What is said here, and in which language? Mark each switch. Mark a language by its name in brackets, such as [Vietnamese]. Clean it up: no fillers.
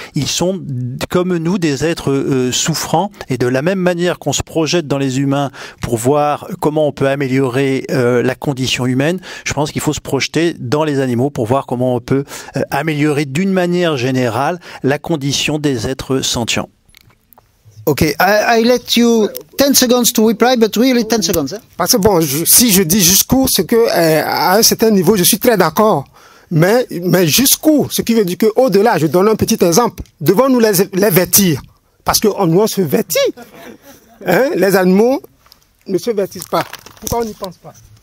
[French] Ils sont, comme nous, des êtres souffrants. Et de la même manière qu'on se projette dans les humains pour voir comment on peut améliorer la condition humaine, je pense qu'il faut se projeter dans les animaux pour voir comment on peut améliorer d'une manière générale la condition des êtres sentients. [English] Okay, I let you 10 seconds to reply, but really 10 seconds. [French] Hein? Parce que bon, si je dis jusqu'où, c'est que à un certain niveau, je suis très d'accord. Mais jusqu'où, ce qui veut dire que au-delà, je donne un petit exemple. Devons-nous les vêtir? Parce que on se vêtit. Hein? Les animaux ne se vêtissent pas. Pourquoi on n'y pense pas?